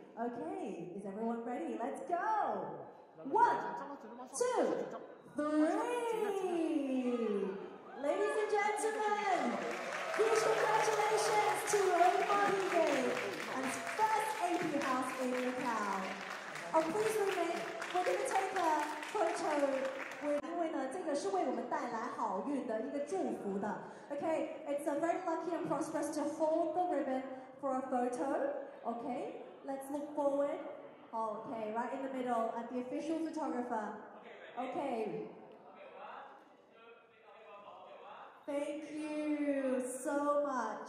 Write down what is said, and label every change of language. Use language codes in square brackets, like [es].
[en] Okay, is everyone ready? Let's go! One, two, three! Ladies and gentlemen, huge congratulations to everybody today, and first AP House in Macau. Please remain. We're going to take a photo. [zh] 因为呢，这个是为我们带来好运的一个祝福的。 [en] Okay, it's a very lucky and prosperous to hold the ribbon for a photo. Okay, let's look forward. Okay, right in the middle at the official photographer. Okay. Thank you so much.